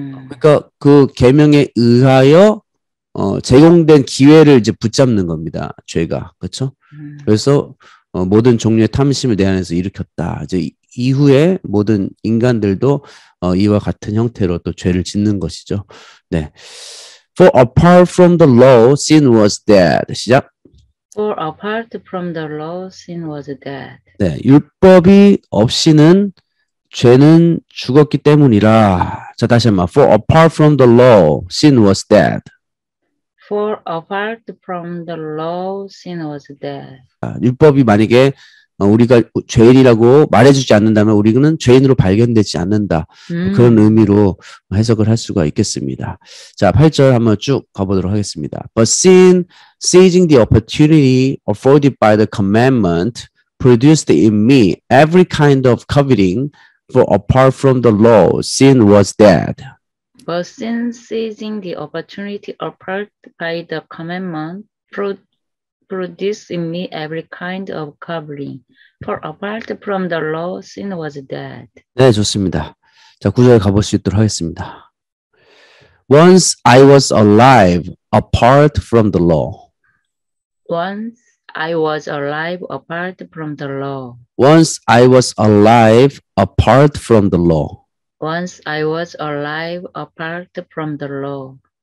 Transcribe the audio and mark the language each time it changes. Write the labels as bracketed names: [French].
[Korean] 그러니까 그 계명에 의하여 제공된 기회를 이제 붙잡는 겁니다. 죄가. 그렇죠? 그래서 모든 종류의 탐심을 내 안에서 일으켰다. 이제 이후에 모든 인간들도 이와 같은 형태로 또 죄를 짓는 것이죠. 네. [English] For apart from the law, sin was dead. [Korean] 시작. [English] For apart from the law, sin was dead. [Korean] 네. 율법이 없이는 죄는 죽었기 때문이라. 자, 다시 한번. [English] For apart from the law, sin was dead. For apart from the law, sin was dead. [Korean] 아, 율법이 만약에 우리가 죄인이라고 말해주지 않는다면 우리는 죄인으로 발견되지 않는다. 그런 의미로 해석을 할 수가 있겠습니다. 자, 8절 한번 쭉 가보도록 하겠습니다. [English] But sin seizing the opportunity afforded by the commandment produced in me every kind of coveting, for apart from the law, sin was dead. But sin, seizing the opportunity offered by the commandment, produced in me every kind of covering, for apart from the law, sin was dead. [Korean] 네, 좋습니다. 자, 구절에 가볼 수 있도록 하겠습니다. [English] Once I was alive apart from the law. Once I was alive apart from the law. Once I was alive apart from the law. Once I was alive apart from the law.